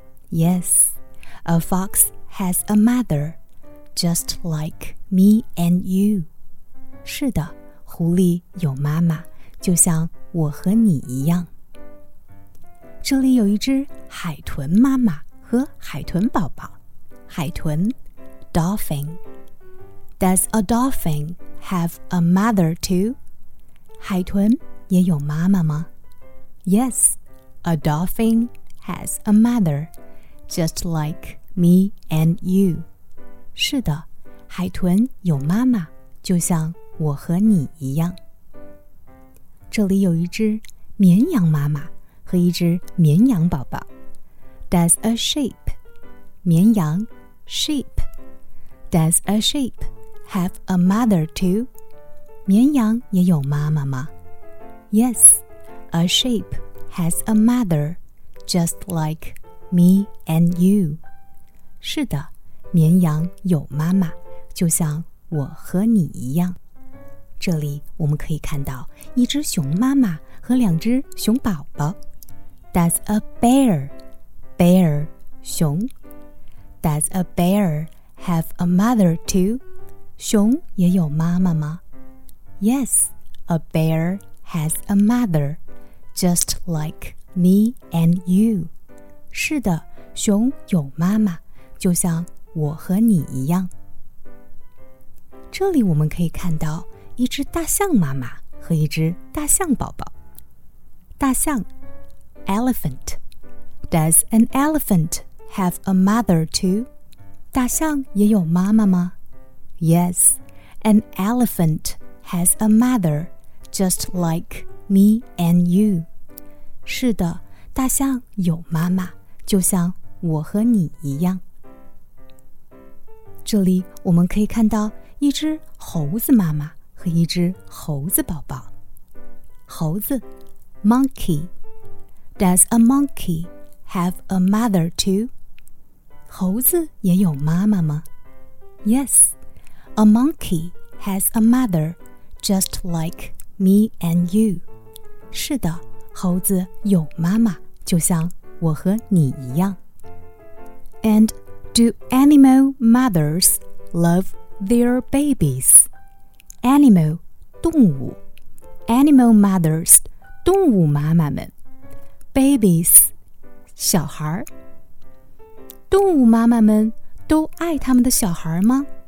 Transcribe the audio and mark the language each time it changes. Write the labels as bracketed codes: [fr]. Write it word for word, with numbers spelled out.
[en] Yes, a fox has a mother, just like me and you. [zh] 是的，狐狸有妈妈，就像我和你一样。这里有一只海豚妈妈和海豚宝宝。海豚 [en] dolphin. Does a dolphin have a mother too? [zh] 海豚也有妈妈吗？ [en] Yes, a dolphin has a mother, just like me and you. [zh] 是的，海豚有妈妈，就像我和你一样。这里有一只绵羊妈妈和一只绵羊宝宝。 [en] Does a sheep? [zh] 绵羊 [en] sheep. Does a sheep have a mother too? [zh] 绵羊也有妈妈吗？ [en] Yes, a sheep has a mother, just like me and you. [zh] 是的，绵羊有妈妈，就像我和你一样。这里我们可以看到一只熊妈妈和两只熊宝宝。 [en] Does a bear? Bear [zh] 熊。 [en] Does a bear have a mother too? [zh] 熊也有妈妈吗？ [en] Yes, a bear has a mother, just like me and you. [zh] 是的，熊有妈妈，就像我和你一样。这里我们可以看到一只大象妈妈和一只大象宝宝。大象 [en] elephant. Does an elephant have a mother too? [zh] 大象也有妈妈吗？ [en] Yes, an elephant has a mother, just like me and you. [zh] 是的，大象有妈妈，就像我和你一样。这里我们可以看到一只猴子妈妈和一只猴子宝宝。猴子 [en] monkey. Does a monkey have a mother too? [zh] 猴子也有妈妈吗？ [en] Yes, a monkey has a mother, just like me and you. [zh] 是的，猴子有妈妈，就像我和你一样。 [en] And do animal mothers love their babies? Animal, [zh] 动物 [en] Animal mothers, [zh] 动物妈妈们 [en] Babies, [zh] 小孩动物妈妈们都爱他们的小孩吗？